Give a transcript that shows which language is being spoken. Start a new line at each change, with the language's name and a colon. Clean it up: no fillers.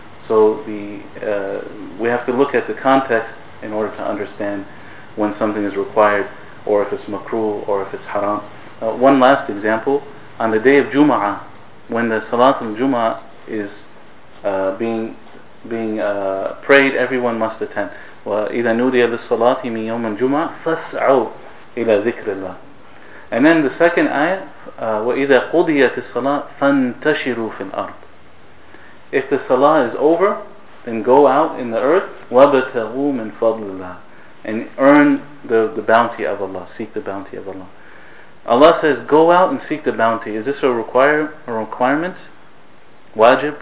English: So we have to look at the context in order to understand when something is required, or if it's makruh, or if it's haram. One last example: on the day of Jumu'ah, when the Salat al-Jumu'ah is being prayed, everyone must attend.
Arabic: وَإِذَا نُودِيَ لِلصَّلَاةِ مِنْ يَوْمَ الْجُمُعَةِ فَاسْعَوْا إِلَى ذِكْرِ اللَّهِ.
English: And then the second ayah,
Arabic: وَإِذَا قُضِيَتِ الصَّلَاةِ فَانْتَشِرُوا فِي الْأَرْضِ.
English: If the salah is over, then go out in the earth,
Arabic: وَابْتَغُوا مِنْ فَضْلِ اللَّهِ,
English: and earn the bounty of Allah, seek the bounty of Allah. Allah says, go out and seek the bounty. Is this a requirement? Wajib?